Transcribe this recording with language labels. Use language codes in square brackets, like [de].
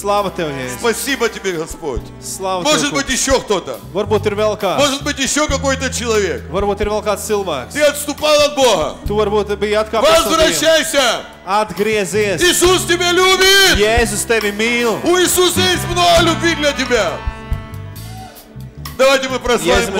[ru] Слава тебе, Jēzus. Спасибо тебе, Господь. Слава тебе. Может быть еще кто-то. [lv] Varbūt ir vēl kāds. [ru] Может быть еще какой-то человек. [lv] Varbūt ir vēl kāds cilvēks. [ru] Ты отступал от Бога. [lv] Tu varbūt biji atkāpies. [ru] Возвращайся. [lv] Atgriezies. [ru] Иисус тебя любит. [lv] Jēzus tevi mīl. [ru] У Иисуса есть много любви для тебя. Давайте мы прославим Господа.